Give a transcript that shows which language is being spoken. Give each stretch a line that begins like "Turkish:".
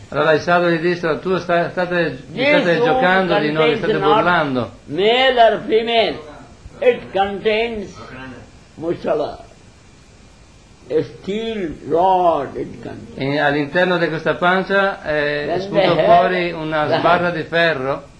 Italian: Allora il sadhu gli disse, tu state giocando di noi, state burlando.
English: Male or female, it contains mushala. A steel rod it contains.
Italian: All'interno di questa pancia spunto fuori una sbarra di ferro.